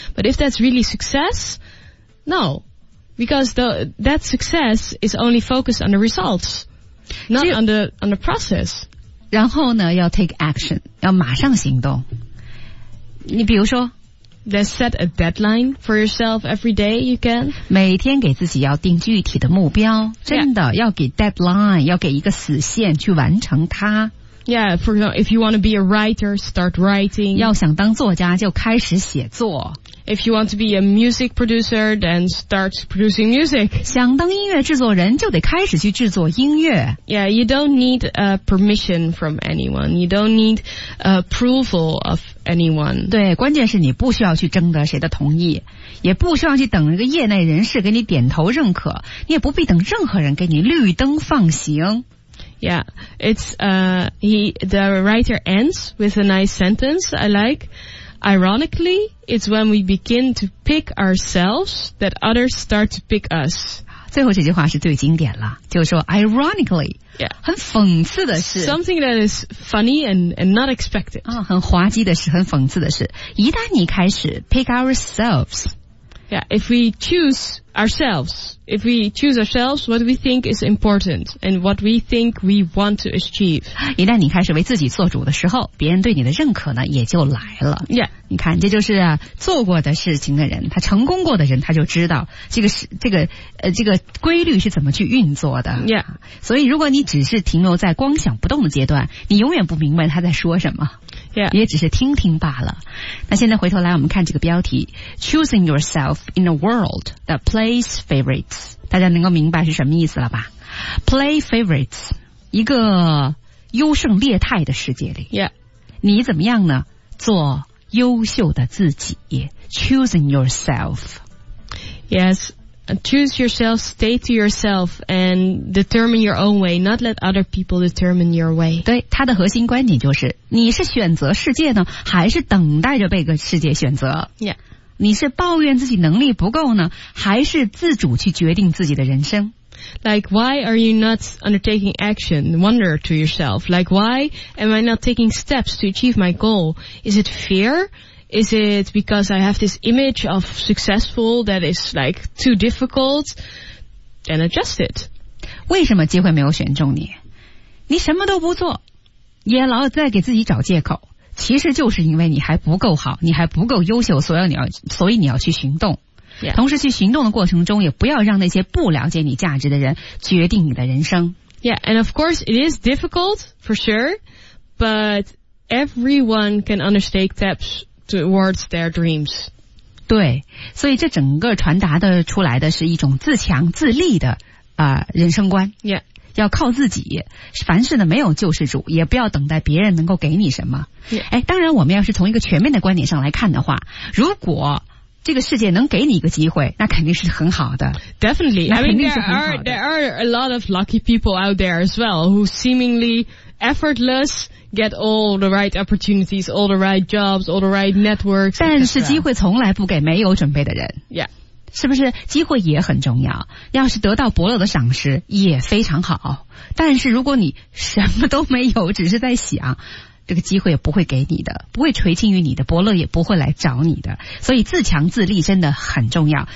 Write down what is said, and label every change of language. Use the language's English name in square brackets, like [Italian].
[English] But if that's really success, no. Because that success is only focused on the results, not on the process. [Chinese] 然后呢，要 [English] take action, [Chinese] 要马上行动。你比如说 [English] Then set a deadline for yourself every day you can. [Chinese] 每天给自己要定具体的目标，真的、 [English] yeah. [Chinese] 要给 deadline, 要给一个死线去完成它。 [English] Yeah, for example, if you want to be a writer, start writing. [Chinese] 要想当作家就开始写作。 [English] If you want to be a music producer, then start producing music. [Chinese] 想当音乐制作人就得开始去制作音乐。 [English] Yeah, you don't need permission from anyone. You don't need approval of anyone. [Chinese] 对，关键是你不需要去征得谁的同意，也不需要去等一个业内人士给你点头认可，你也不必等任何人给你绿灯放行。 [English] Yeah, it's, the writer ends with a nice sentence I like. Ironically, it's when we begin to pick ourselves that others start to pick us. [Chinese] 最后这句话是最经典了，就是说 ironically, [English] yeah, [Chinese] 很讽刺的是 [English] something that is funny and not expected. [Chinese] 啊、哦，很滑稽的是，很讽刺的是，一旦你开始 [English] pick ourselves, yeah, if we choose ourselves, what we think is important and what we think we want to achieve. [Chinese] 一旦你开始为自己做主的时候，别人对你的认可呢也就来了。 [English] Yeah. [Chinese] 你看，这就是、啊、做过的事情的人，他成功过的人，他就知道这个规律是怎么去运作的。 [English] Yeah. [Chinese] 所以如果你只是停留在光想不动的阶段，你永远不明白他在说什么。 [English] Yeah. [Chinese] 也只是听听罢了。那现在回头来，我们看这个标题 , [English] Choosing yourself in a world that plays favorites. [Chinese] 大家能够明白是什么意思了吧 ？ [English] Play favorites， [Chinese] 一个优胜劣汰的世界里， [English] yeah. [Chinese] 你怎么样呢？做优秀的自己 ， [English] choosing yourself。 Yes, choose yourself, stay to yourself, and determine your own way. Not let other people determine your way. [Chinese] 对，它的核心观点就是：你是选择世界呢，还是等待着被个世界选择 [English] ？Yeah. [Chinese] 你是抱怨自己能力不够呢，还是自主去决定自己的人生？ [English] Like, why are you not undertaking action? Wonder to yourself. Like, why am I not taking steps to achieve my goal? Is it fear? Is it because I have this image of successful that is like too difficult? And adjust it. [Chinese] 为什么机会没有选中你？你什么都不做，也老在给自己找借口。其实就是因为你还不够好，你还不够优秀，所以你要去行动。 [English] Yeah. [Chinese] 同时去行动的过程中，也不要让那些不了解你价值的人决定你的人生。 [English] Yeah, and of course it is difficult for sure, but everyone can undertake steps towards their dreams. [Chinese] 对，所以这整个传达的出来的是一种自强自立的人生观。 [English] Yeah. [Chinese] 要靠自己，凡事呢没有救世主，也不要等待别人能够给你什么。哎，当然我们要是从一个全面的观点上来看的话，如果这个世界能给你一个机会，那肯定是很好的。 [English] Definitely, [Chinese] 那肯定是很好的。 [English] I mean, there are a lot of lucky people out there as well who seemingly effortless get all the right opportunities, all the right jobs, all the right networks. [Chinese] 但是机会从来不给没有准备的人。 [English] Yeah. [Chinese] 是不是机会也很重要，要是得到伯乐的赏识也非常好，但是如果你什么都没有，只是在想，这个机会也不会给你的，不会垂青于你的，伯乐也不会来找你的，所以自强自立真的很重要。